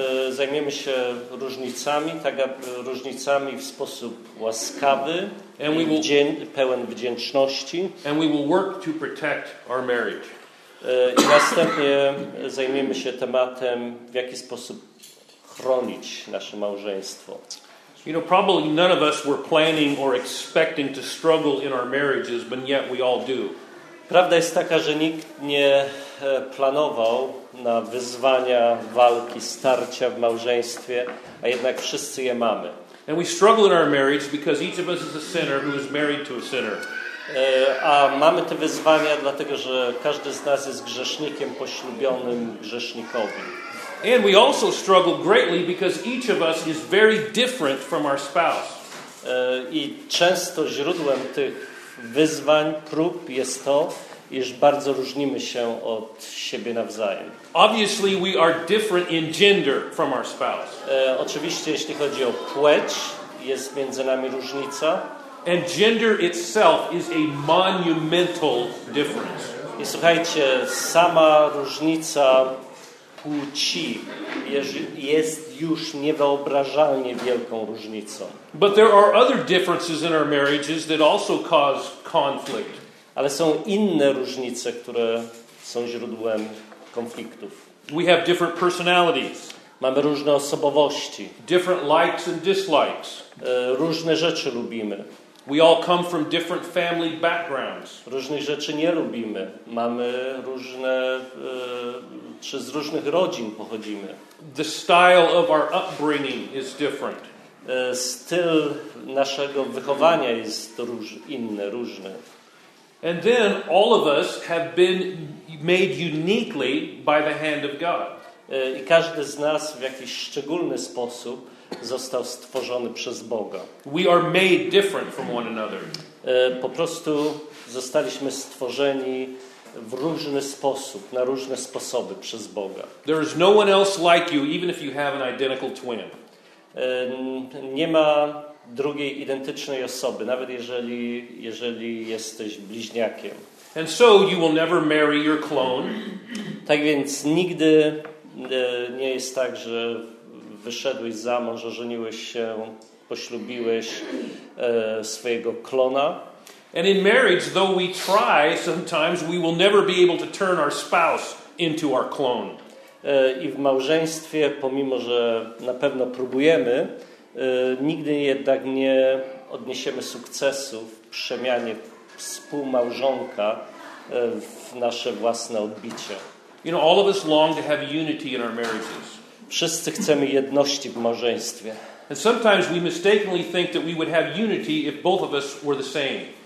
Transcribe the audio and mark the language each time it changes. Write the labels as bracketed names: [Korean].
[Polish] Zajmiemy się różnicami, tak różnicami w sposób łaskawy [English] and [Polish] i pełen wdzięczności. [English] And we will work to protect our marriage. [Polish] I następnie zajmiemy się tematem, w jaki sposób chronić nasze małżeństwo. [English] You know, probably none of us were planning or expecting to struggle in our marriages, but yet we all do. [Polish] Prawda jest taka, że nikt nie planował na wyzwania, walki, starcia w małżeństwie, a jednak wszyscy je mamy. [English] And we struggle in our marriage because each of us is a sinner who is married to a sinner. [Polish] A mamy te wyzwania dlatego, że każdy z nas jest grzesznikiem poślubionym grzesznikowi. [English] And we also struggle greatly because each of us is very different from our spouse. [Polish] I często źródłem tych wyzwań, prób jest to, iż bardzo różnimy się od siebie nawzajem. [English] Obviously we are different in gender from our spouse. [Polish] Oczywiście jeśli chodzi o płeć, jest między nami różnica. [English] And gender itself is a monumental difference. [Polish] I słuchajcie, sama różnica płci jest już niewyobrażalnie wielką różnicą. [English] But there are other differences in our marriages that also cause conflict. [Polish] Ale są inne różnice, które są źródłem konfliktów. [English] We have different personalities. [Polish] Mamy różne osobowości. [English] Different likes and dislikes. [Polish] Różne rzeczy lubimy. [English] We all come from different family backgrounds. [Polish] Różnych rzeczy nie lubimy. Mamy różne czy z różnych rodzin pochodzimy. [English] The style of our upbringing is different. [Polish] Styl naszego wychowania jest różny. [English] And then all of us have been made uniquely by the hand of God. [Polish] I każdy z nas w jakiś szczególny sposób został stworzony przez Boga. [English] We are made different from one another. [Polish] Po prostu zostaliśmy stworzeni w różny sposób, na różne sposoby przez Boga. [English] There is no one else like you, even if you have an identical twin. [Polish] Nie ma drugiej identycznej osoby, nawet jeżeli jesteś bliźniakiem. [English] And so you will never marry your clone. [Polish] Tak więc nigdy nie jest tak, że wyszedłeś za mąż, ożeniłeś się, poślubiłeś swojego klona. [English] And in marriage, though we try, sometimes we will never be able to turn our spouse into our clone. [Polish] I w małżeństwie, pomimo że na pewno próbujemy, nigdy jednak nie odniesiemy sukcesu w przemianie współmałżonka w nasze własne odbicie. [English] You know, all of us long to have unity in our marriages. [Polish] Wszyscy chcemy jedności w małżeństwie. [English] And sometimes we mistakenly think that we would have unity if both of us were the same.